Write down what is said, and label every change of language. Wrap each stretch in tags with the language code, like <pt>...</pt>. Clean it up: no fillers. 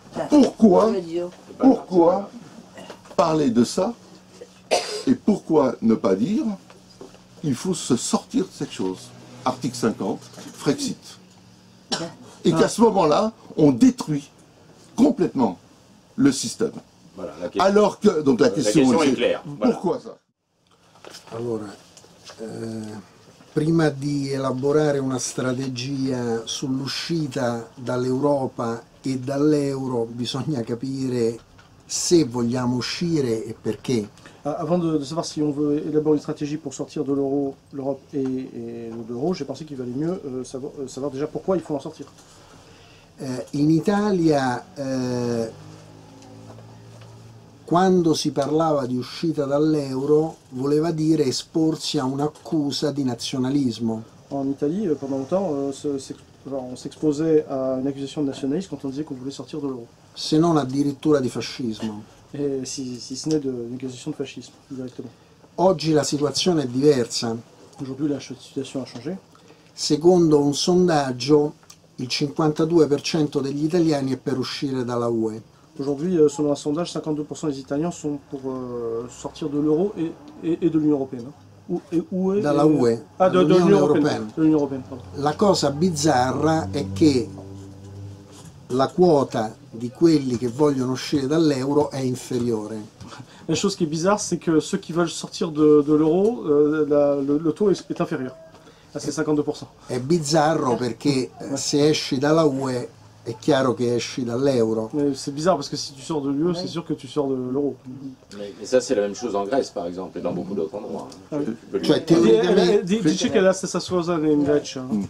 <fr>Pourquoi parler de ça et pourquoi ne pas dire il faut se sortir de cette chose ? Article 50, Frexit. Et qu'à ce moment-là, on détruit complètement le système. Voilà, la question. Alors que, donc la question est claire. Pourquoi voilà. ça ?</fr> <it>Allora, prima di elaborare una strategia sull'uscita dall'Europa e dall'euro, bisogna capire se vogliamo uscire e perché.</it> <fr>Avant de savoir si on veut élaborer une stratégie pour sortir de l'euro, l'Europe et de l'euro, j'ai pensé qu'il valait mieux savoir déjà pourquoi il faut en sortir.</fr> <it>In Italia, quando si parlava di uscita dall'euro, voleva dire esporsi a un'accusa di nazionalismo.</it> <fr>En Italie, pendant longtemps, on s'exposait à une accusation de nationalisme quand on disait qu'on voulait sortir de l'euro.</fr> <it>Se non addirittura di fascismo.</it> <fr>Et si ce n'est d'une question de fascisme directement.</fr> <it>Oggi la situazione è diversa.</it> <fr>Aujourd'hui la situation a changé.</fr> <it>Secondo un sondaggio, il 52% degli italiani è per uscire dalla UE.</it> <fr>Aujourd'hui, selon un sondage, 52% des Italiens sont pour sortir de l'euro et de l'Union européenne.</fr> <it>Dalla UE. Dall'Unione europea. L'Unione europea. La cosa bizzarra è che la quota di quelli che vogliono uscire dall'euro è inferiore. La cosa che è bizzarra è che</it> <fr>ceux qui veulent sortir de l'euro, le taux est inférieur à ces 52%.</fr> <it>È bizzarro perché se esci dalla UE è chiaro che esci dall'euro.</it> <fr>C'est bizarre parce que si tu sors de l'UE, c'est sûr que tu sors de l'euro. Mais ça, c'est la même chose en Grèce, par exemple, et dans beaucoup d'autres endroits.</fr> <it>Cioè, théoriquement. Dice che è la stessa cosa in Grecia.</it>